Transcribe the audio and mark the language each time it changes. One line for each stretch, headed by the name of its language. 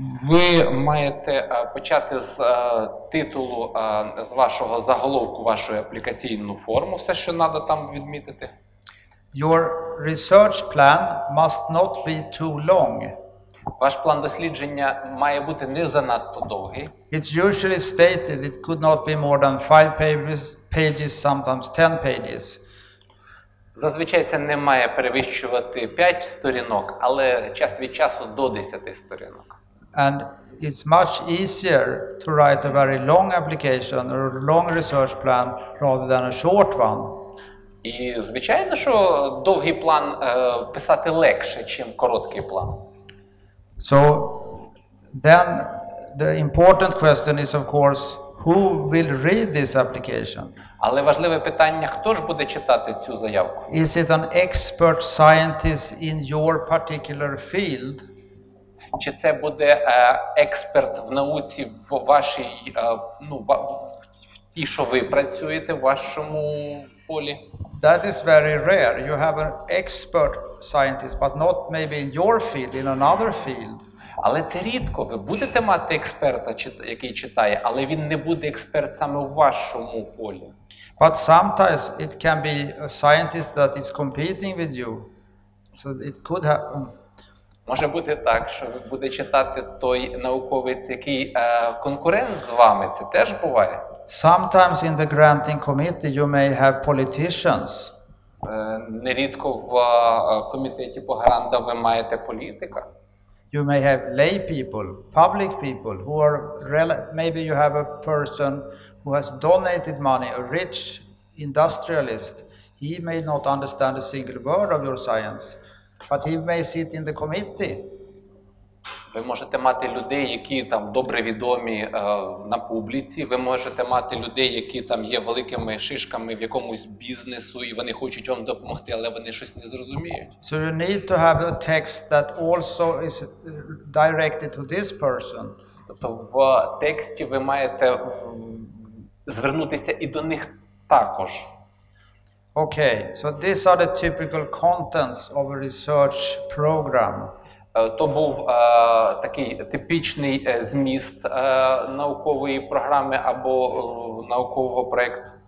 Ukrainian: Ви маєте почати з титулу, з вашого заголовку, вашу аплікаційну форму, все, що треба там відмітити.
English: Your research plan must not be too long.
Ukrainian: Ваш план дослідження має бути не занадто довгий.
English: It's usually stated it could not be more than 5 pages, sometimes 10 pages.
Ukrainian: Зазвичай це не має перевищувати 5 сторінок, але час від часу до 10 сторінок.
English: And it's much easier to write a very long application or a long research plan rather than a short one.
Ukrainian: І звичайно, що довгий план писати легше, ніж короткий план.
English: So then the important question is of course who will read this application?
Ukrainian: Але важливе питання, хто ж буде читати цю заявку?
English: Is it an expert scientist in your particular field?
Ukrainian: Чи це буде експерт в науці в вашій, ну, ті, що ви працюєте в вашому полі?
English: That is very rare. You have an expert scientist, but not maybe in your field, in another field.
Ukrainian: Але це рідко. Ви будете мати експерта, який читає, але він не буде експерт саме в вашому полі.
English: But sometimes it can be a scientist that is competing with you. So it could happen.
Ukrainian: Може бути так, що буде читати той науковець, який конкурент з вами, це теж буває.
English: Sometimes in the granting committee you may have politicians.
Ukrainian: Нерідко в комітеті по грантам ви маєте політика.
English: You may have lay people, public people who are maybe you have a person who has donated money, a rich industrialist. He may not understand a single word of your science. But he may sit in the committee.
Ukrainian: Ви можете мати людей, які там добре відомі на публіці, ви можете мати людей, які там є великими шишками в якомусь бізнесу і вони хочуть вам допомогти, але вони щось не зрозуміють.
English: So you need to have a text that also is directed to this person.
Ukrainian: Тобто в тексті ви маєте звернутися і до них також.
English: Okay, so these are the typical contents of a research program.
Ukrainian: То був такий типічний зміст наукової програми або наукового проєкту.